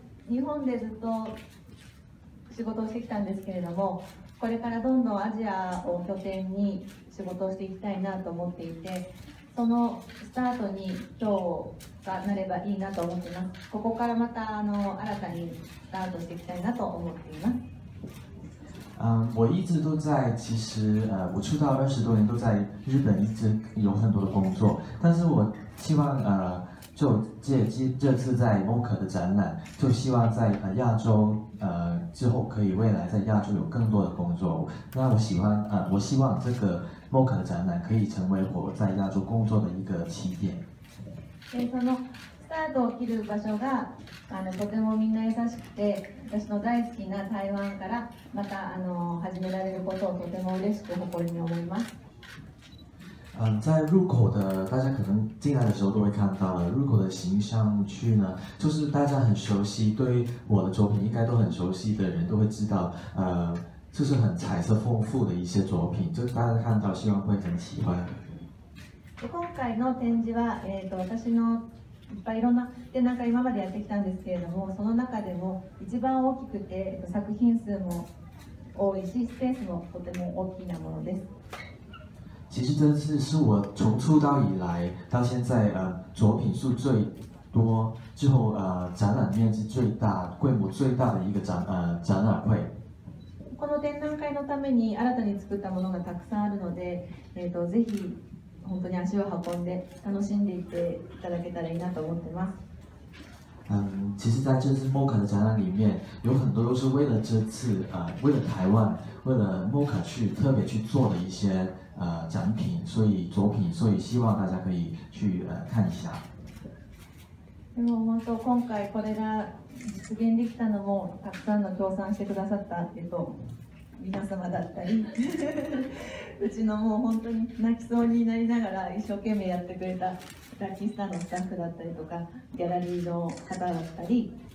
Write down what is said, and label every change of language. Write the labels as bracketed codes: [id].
[ja] 日本でずっと仕事をしてきたんですけれども、これからどんどんアジアを拠点に仕事をしていきたいなと思っていて。そのスタートに今日がなればいいなと思っています。ここからまた新たにスタートしていきたいなと思っています。 [zh] 我一直都在，其实我出道20多年都在日本，一直有很多的工作。但是我希望就这次在 MOCA 的展览，就希望在亚洲之后可以未来在亚洲有更多的工作。那我喜欢我希望这个。MOCA的展覧可以成为我在亚洲工作的一个起点。 [ja] そのスタートを切る場所がとてもみんな優しくて、私の大好きな台湾からまた始められることをとても嬉しく誇りに思います。 [zh] 在入口的大家可能进来的时候都会看到了入口的形象区呢，就是大家很熟悉，对我的作品应该都很熟悉的人都会知道，就是很彩色丰富的一些作品，就大家看到，希望会很喜欢。 [ja] 今回の展示は、私のいっぱいいろんな展覧会今までやってきたんですけれども、その中でも一番大きくて、作品数も多いし、スペースもとても大きなものです。 [zh] 其实这次是我从出道以来到现在，作品数最多，之后展览面积最大、规模最大的一个展览会。 [ja] この展覧会のために新たに作ったものがたくさんあるので、ぜひ本当に足を運んで楽しんでいていただけたらいいなと思ってます。 [zh] 其实在这次 MOCA 的展览里面，有很多都是为了这次为了台湾，为了 MOCA 去特别去做的一些展品，所以作品，所以希望大家可以去看一下。 [ja] でも本当今回これが実現できたのもたくさんの協賛してくださった皆様だったりうちのもう本当に泣きそうになりながら一生懸命やってくれたラッキースターのスタッフだったりとかギャラリーの方だったり。